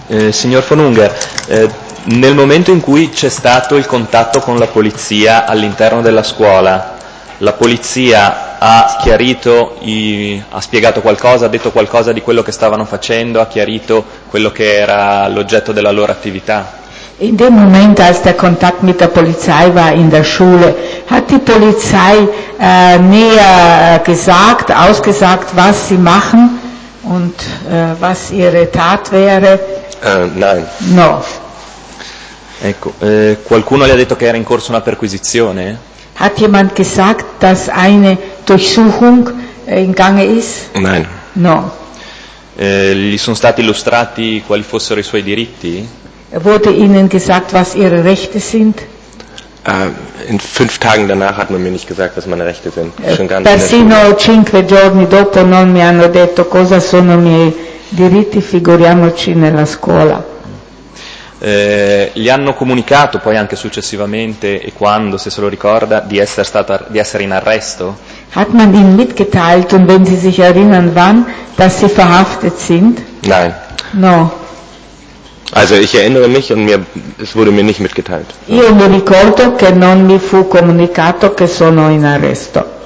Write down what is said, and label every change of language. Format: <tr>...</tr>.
<it>Signor Fonunga, nel momento in cui c'è stato il contatto con la polizia all'interno della scuola, la polizia ha chiarito, ha spiegato qualcosa, ha detto qualcosa di quello che stavano facendo, ha chiarito quello che era l'oggetto della loro attività?</it> <de>In dem Moment, als der Kontakt mit der Polizei war in der Schule, hat die Polizei näher gesagt, ausgesagt, was sie machen und was ihre Tat wäre? Nein.</de> <it>No. Ecco, qualcuno le ha detto che era in corso una perquisizione?</it> <de>Hat jemand gesagt, dass eine Durchsuchung in Gange ist? Nein.</de> <it>No. Gli sono stati illustrati quali fossero i suoi diritti?</it> <de>Wurde ihnen gesagt, was ihre Rechte sind? In fünf Tagen danach hat man mir nicht gesagt, was meine Rechte sind. Schon ganz</de> <it>persino cinque giorni dopo non mi hanno detto cosa sono i miei diritti, figuriamoci nella scuola. Gli hanno comunicato poi anche successivamente e quando, se se lo ricorda, di essere in arresto?</it> <de>Hat man ihnen mitgeteilt und wenn sie sich erinnern wann, dass sie verhaftet sind? Nein.</de> <it>No.</it> <de>Also ich erinnere mich und es wurde mir nicht mitgeteilt.</de> <it>Io mi ricordo che non mi fu comunicato che sono in arresto.</it>